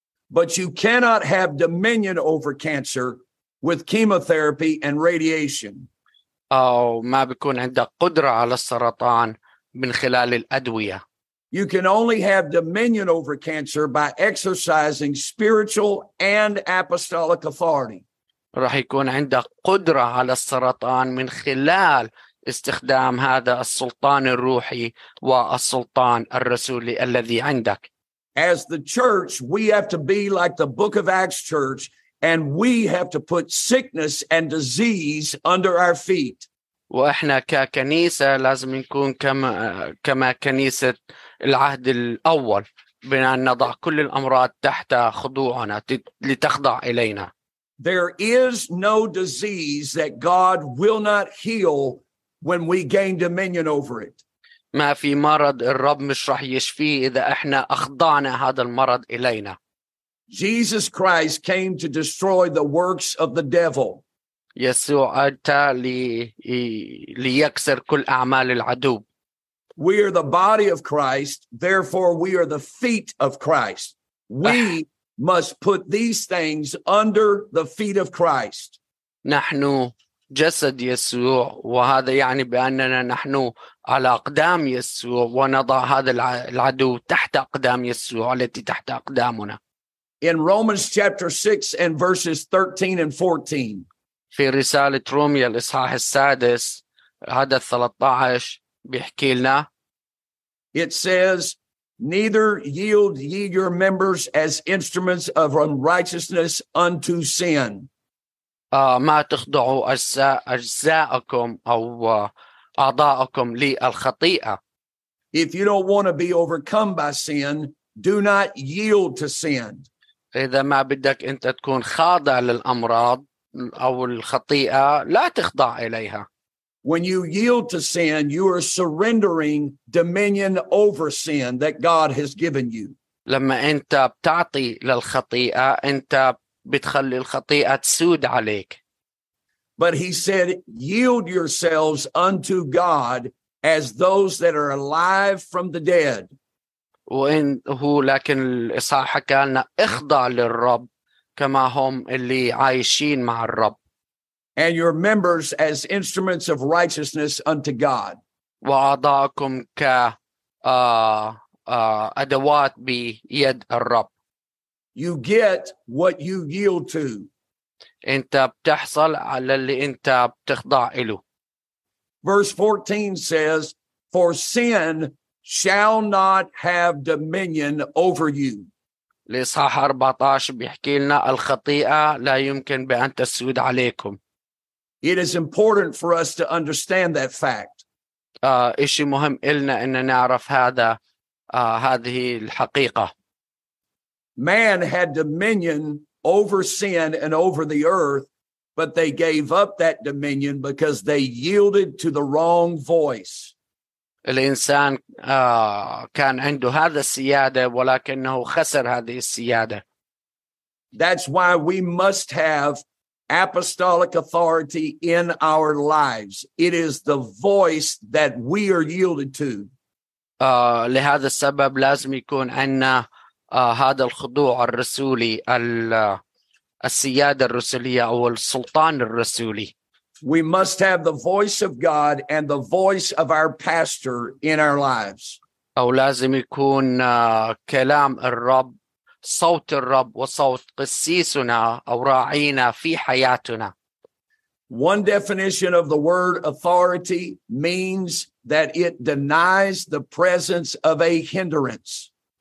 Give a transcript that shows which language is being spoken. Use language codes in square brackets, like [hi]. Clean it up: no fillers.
[en] But you cannot have dominion over cancer with chemotherapy and radiation. [ar] ما بيكون عندك قدرة على السرطان من خلال الأدوية. [en] You can only have dominion over cancer by exercising spiritual and apostolic authority. [ar] راح يكون عندك قدرة على السرطان من خلال استخدام هذا السلطان الروحي والسلطان الرسولي الذي عندك. [en] As the church, we have to be like the Book of Acts church, and we have to put sickness and disease under our feet. [ar] وإحنا ككنيسة لازم نكون كما كنيسة العهد الأول بأن نضع كل الأمراض تحت خضوعنا لتخضع إلينا. [en] There is no disease that God will not heal when we gain dominion over it. [ar] ما في مرض الرب مش رح يشفيه إذا إحنا أخضعنا هذا المرض إلينا. [en] Jesus Christ came to destroy the works of the devil. [ar] يسوع أتى ليكسر كل أعمال العدو. [en] We are the body of Christ, therefore we are the feet of Christ. We must put these things under the feet of Christ. [ar] نحن جسد يسوع وهذا يعني بأننا نحن على أقدام يسوع ونضع هذا العدو تحت أقدام يسوع التي تحت أقدامنا. [en] In Romans chapter 6 and verses 13 and 14. [ar] في رسالة روميا الإصحاح السادس عدد 13 بيحكي لنا. [en] It says, neither yield ye your members as instruments of unrighteousness unto sin. [ar] ما تخضعوا أجزاءكم أو أعضاءكم للخطيئة. [en] If you don't want to be overcome by sin, do not yield to sin. [ar] إذا ما بدك أنت تكون خاضع للأمراض أو الخطيئة لا تخضع إليها. [en] When you yield to sin, you are surrendering dominion over sin that God has given you. [ar] لما أنت بتعطي للخطيئة أنت بتخلي الخطيئة تسود عليك. [en] But he said, yield yourselves unto God as those that are alive from the dead. [ar] وإن هو لكن الإصحاح قالنا اخضع للرب كما هم اللي عايشين مع الرب. [en] And your members as instruments of righteousness unto God. [ar] وأعضاءكم كأدوات بيد الرب. [en] You get what you yield to. [ar] أنت بتحصل على اللي أنت بتخضع له. [en] Verse 14 says, for sin shall not have dominion over you. [ar] الإصحاح 14 بيحكي لنا الخطيئة لا يمكن بأن تسود عليكم. [en] It is important for us to understand that fact. [ar] إشي مهم إلنا إن نعرف هذا هذه الحقيقة. [en] Man had dominion over sin and over the earth, but they gave up that dominion because they yielded to the wrong voice. [ar] الإنسان كان عنده هذا السيادة ولكنه خسر هذه السيادة. [en] That's why we must have apostolic authority in our lives. It is the voice that we are yielded to. [ar] لهذا السبب لازم يكون عندنا هذا الخضوع الرسولي السيادة الرسولية أو السلطان الرسولي. [en] We must have the voice of God and the voice of our pastor in our lives. [ar] أو لازم يكون كلام الرب صوت الرب وصوت قسيسنا أو راعينا في حياتنا. [en] One definition of the word authority means that it denies the presence of a hindrance.